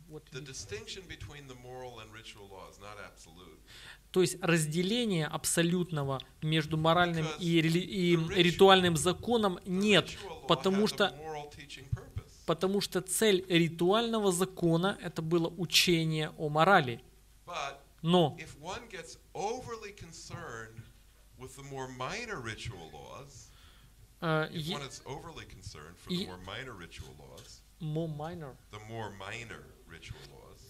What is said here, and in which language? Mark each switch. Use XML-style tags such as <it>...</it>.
<en>The distinction between the moral and ritual law is not absolute.</en> <ru>То есть разделения абсолютного между моральным и ритуальным законом нет, потому что цель ритуального закона это было учение о морали. Но</ru> <en>if one gets overly concerned with the more minor ritual laws, If one is overly concerned for the more minor ritual laws, the more minor ritual laws.</en>